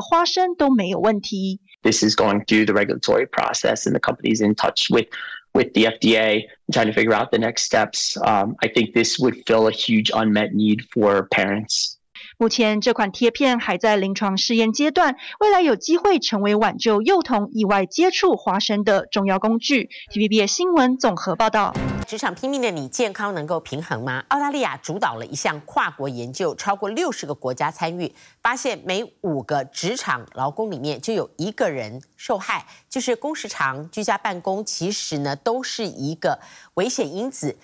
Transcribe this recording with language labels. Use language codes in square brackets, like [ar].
[zh] 法国生技药厂研发出一款幼儿贴片，一天一片贴在背上，让皮肤透过吸收少量的花生蛋白来减少强烈的过敏反应。经过1年的实验后，反应良好，1/3的受试者能安全地吃进3到4颗花生都没有问题。 [en] This is going through the regulatory process, and the company's in touch with the FDA and trying to figure out the next steps. I think this would fill a huge unmet need for parents. [zh] 目前这款贴片还在临床试验阶段，未来有机会成为挽救幼童意外接触花生的重要工具。TVBS 新闻综合报道。职场拼命的你健康能够平衡吗？澳大利亚主导了一项跨国研究，超过60个国家参与，发现每5个职场劳工里面就有一个人受害，就是工时长、居家办公，其实呢都是一个危险因子。